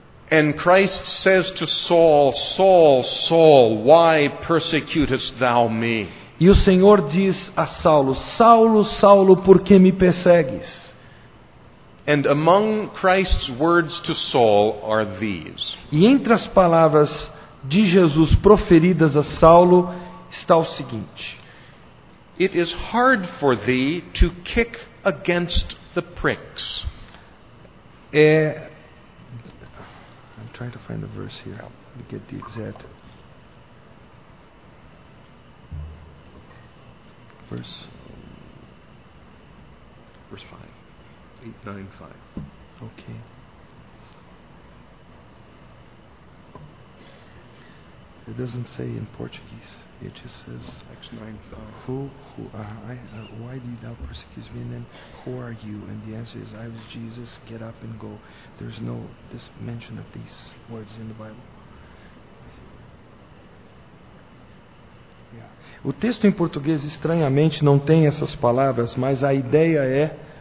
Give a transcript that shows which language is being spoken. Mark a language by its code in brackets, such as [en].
[en] And Christ says to Saul, Saul, Saul, why persecutest thou me? [pt] E o Senhor diz a Saulo, Saulo, Saulo, por que me persegues? [en] And among Christ's words to Saul are these. [pt] E entre as palavras de Jesus proferidas a Saulo está o seguinte. [en] It is hard for thee to kick against the pricks. I'm trying to find the verse here. Let me get the exact. Verse 5. 8, 9, 5. Okay. It doesn't say in Portuguese. It just says Acts 9:5. Why do thou persecute me? And then who are you? And the answer is, I was Jesus. Get up and go. There's no this mention of these words in the Bible. [pt] O texto em português, estranhamente, não tem essas palavras, mas a ideia é...